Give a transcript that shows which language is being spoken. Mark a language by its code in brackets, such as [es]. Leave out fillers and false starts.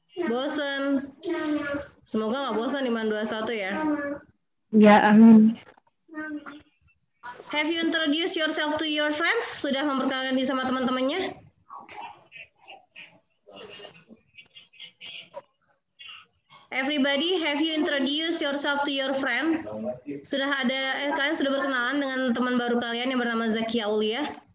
[id] Bosan. Semoga enggak bosan di MAN 21 ya. Ya, amin. [en] Have you introduced yourself to your friends? [id] Sudah memperkenalkan diri sama teman-temannya? [en] Everybody, have you introduced yourself to your friend? [id] Sudah ada, kalian sudah berkenalan dengan teman baru kalian yang bernama Zaki Aulia?